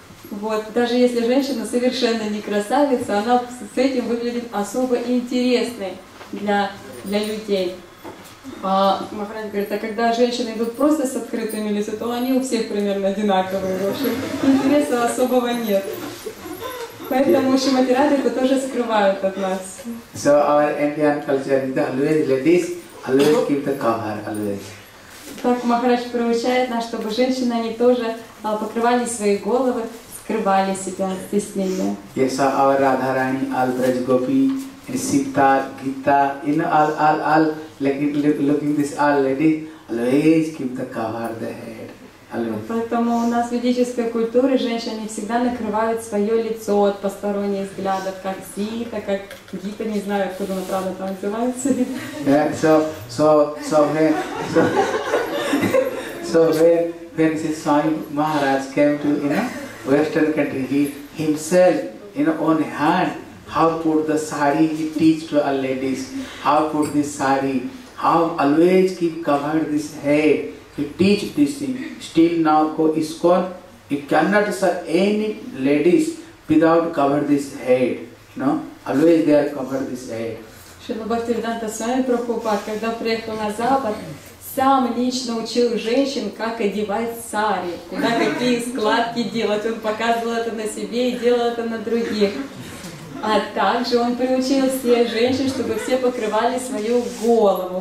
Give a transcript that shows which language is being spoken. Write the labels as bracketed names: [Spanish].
[Russian] Вот, даже если женщина совершенно не красавица, она с этим выглядит особо интересной для людей. А Махарадж говорит, а когда женщины идут просто с открытыми лицами, то они у всех примерно одинаковые, в общем, интереса особого нет. Поэтому Шримати Радхику тоже скрывают от нас. [English] So our Indian culture is always ladies, always keep the cover, always. [Russian] Так Махарадж приучает нас, чтобы женщины, они тоже покрывали свои головы, скрывали себя от стеснения. [English] Yes, our Radharani, all Braj Gopi, Sita, Gita, in all, like looking this all lady, always keep the cover the head. Always. [Russian] Поэтому у нас в ведической культуре женщины всегда накрывают свое лицо от посторонних взглядов, как Сита, как Гита, не знаю, откуда она правда там называется. [English] Yeah, so when Swami Maharaj came to, you know, Western country, he himself, in his own hand, how put the sari, he teach to all ladies, how put this sari, How always keep covered this head, to teach this thing. Still now, ko iskon, you cannot serve any ladies without cover this head. No? Always they are covered this head. [Russian] Шрила Бхактивиданта Свами Прабхупад, когда приехал на Запад, сам лично учил женщин, как одевать сари, куда какие складки делать. Он показывал это на себе и делал это на других. А также он приучил все женщин, чтобы все покрывали свою голову.